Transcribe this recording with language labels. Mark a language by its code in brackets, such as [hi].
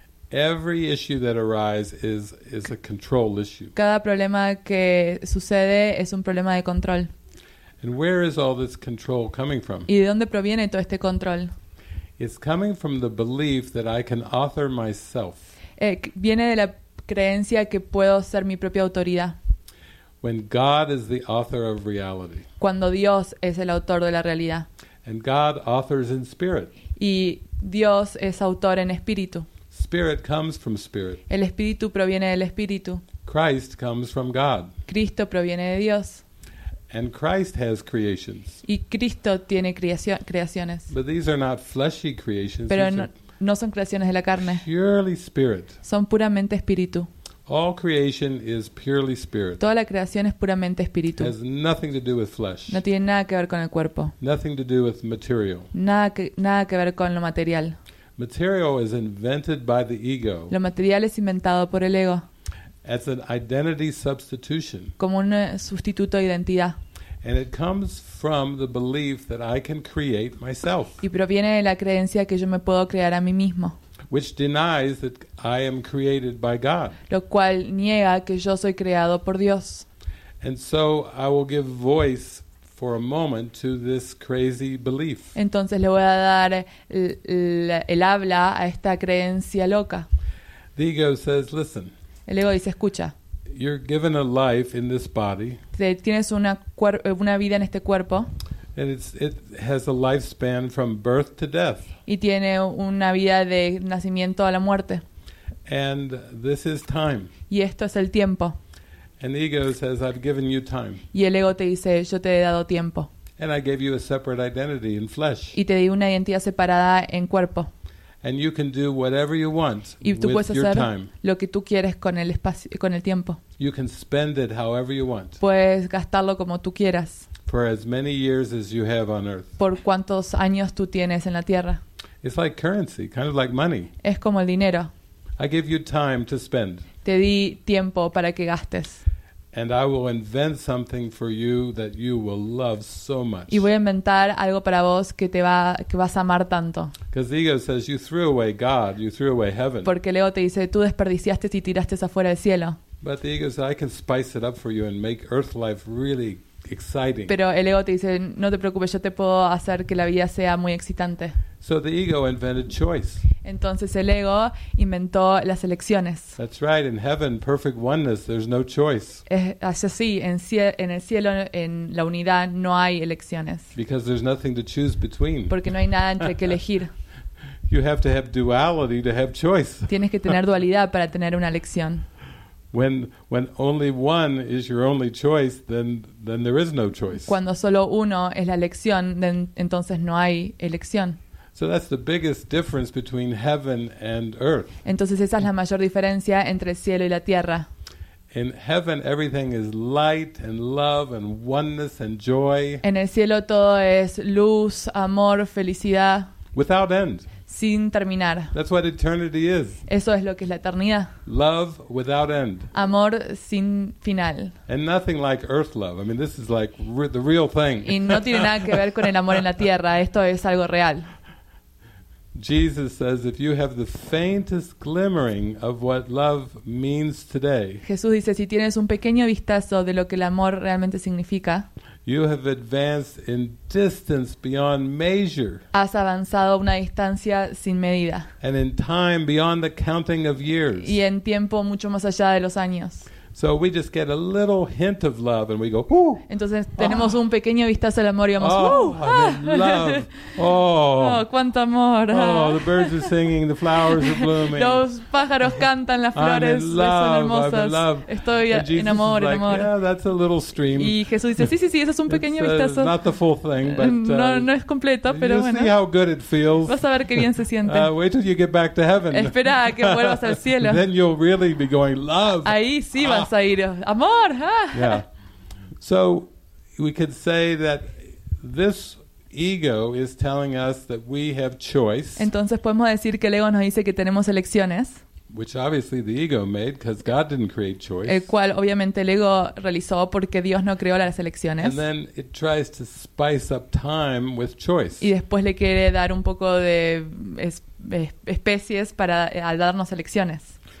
[en] Every issue that arises is a control issue. [es] Cada problema que sucede es un problema de control. [en] And where is all this control coming from? [es] ¿Y de dónde proviene todo este control? [en] It's coming from the belief that I can author myself. [es] Viene de la creencia que puedo ser mi propia autoridad. [en] When God is the author of reality. [es] Cuando Dios es el autor de la realidad. [en] And God authors in spirit. [es] Y Dios es autor en espíritu. [en] Spirit comes from spirit. [es] El espíritu proviene del espíritu. [en] Christ comes from God. [es] Cristo proviene de Dios. [en] And Christ has creations. [es] Y Cristo tiene creaciones. [en] But these are not fleshy creations. [es] Pero no son creaciones de la carne. [en] Purely spirit. [es] Son puramente espíritu. [en] All creation is purely spirit. [es] Toda la creación es puramente espíritu. [en] Has nothing to do with flesh. [es] No tiene nada que ver con el cuerpo. [en] Nothing to do with material. [es] Nada que ver con lo material. [en] Material is invented by the ego. [es] Lo material es inventado por el ego. [en] As an identity substitution. [es] Como un sustituto de identidad. [en] And it comes from the belief that I can create myself. [es] Y proviene de la creencia que yo me puedo crear a mí mismo. [en] Which denies that I am created by God. [es] Lo cual niega que yo soy creado por Dios. [en] And so I will give voice for a moment to this crazy belief. [es] Entonces le voy a dar el habla a esta creencia loca. [en] The ego says, listen. [es] El ego dice, escucha. [en] You're given a life in this body. [es] Tienes una vida en este cuerpo. [en] And it has a lifespan from birth to death. [es] Y tiene una vida de nacimiento a la muerte. [en] And this is time. [es] Y esto es el tiempo. [en] And the ego says, I've given you time. [es] Y el ego te dice, yo te he dado tiempo. [en] And I gave you a separate identity in flesh. [es] Y te di una identidad separada en cuerpo. [en] And you can do whatever you want with your time. [es] Y tú puedes hacer lo que tú quieres con el espacio, con el tiempo. [en] You can spend it however you want. [es] Puedes gastarlo como tú quieras. [en] For as many years as you have on earth. [es] Por cuántos años tú tienes en la tierra. [en] It's like currency, kind of like money. [es] Es como el dinero. [en] I give you time to spend. [es] Te di tiempo para que gastes. [en] And I will invent something for you that you will love so much. [es] Y voy a inventar algo para vos que vas a amar tanto. [en] Because the ego says you threw away God, you threw away heaven. [es] Porque el ego te dice tú desperdiciaste y tiraste afuera el cielo. [en] But the ego says I can spice it up for you and make earth life really exciting. [es] Pero el ego te dice no te preocupes, yo te puedo hacer que la vida sea muy excitante. [en] So the ego invented choice. [es] Entonces el ego inventó las elecciones. [en] That's right. In heaven, perfect oneness. There's no choice. [es] Es así. En el cielo, en la unidad, no hay elecciones. [en] Because there's nothing to choose between. [es] Porque no hay nada entre que elegir. [en] You have to have duality to have choice. [es] Tienes que tener dualidad para tener una elección. [en] When only one is your only choice, then there is no choice. [es] Cuando solo uno es la elección, entonces no hay elección. [en] So that's the biggest difference between heaven and earth. [es] Entonces esa es la mayor diferencia entre el cielo y la tierra. [en] In heaven everything is light and love and oneness and joy. [es] En el cielo todo es luz, amor, felicidad. [en] Without end. [es] Sin terminar. [en] That's what eternity is. [es] Eso es lo que es la eternidad. [en] Love without end. [es] Amor sin final. [en] And nothing like earth love. I mean this is like the real thing. [es] Y no tiene nada que ver con el amor en la tierra, esto es algo real. [en] Jesus says, "If you have the faintest glimmering of what love means today." [es] Jesús dice, si tienes un pequeño vistazo de lo que el amor realmente significa. [en] You have advanced in distance beyond measure. [es] Has avanzado una distancia sin medida. [en] And in time beyond the counting of years. [es] Y en tiempo mucho más allá de los años. [en] So we just get a little hint of love and we go, "Ooh." [es] Entonces tenemos un pequeño vistazo al amor y vamos, "Ooh, [en] love." Oh. [es] Oh, cuánto amor. [en] Oh, the birds are singing, the flowers are blooming. [es] Los pájaros cantan, las flores son hermosas. [en] I'm in love. [es] Estoy en amor, [en] like, [es] en amor. [en] Yeah, that's a little stream. [es] Y Jesús dice, "Sí, eso es un pequeño vistazo." [en] Not the full thing, but [es] no es completo, pero [en] you'll [es] bueno. [en] See how good it feels. [es] Vas a ver qué bien se siente. [en] Wait till you get back to heaven. [es] Espera a que vuelvas al cielo. [en] Then you'll really be going, "Love." [es] Ahí sí vas. A ir. Amor, ¿eh? [en] Yeah. So we could say that this ego is telling us that we have choice. [es] Entonces podemos decir que el ego nos dice que tenemos elecciones. [en] Which obviously the ego made because God didn't create choice. [es] El cual obviamente el ego realizó porque Dios no creó las elecciones. [en] And then it tries to spice up time with choice. [es] Y después le quiere dar un poco de especies para al darnos elecciones.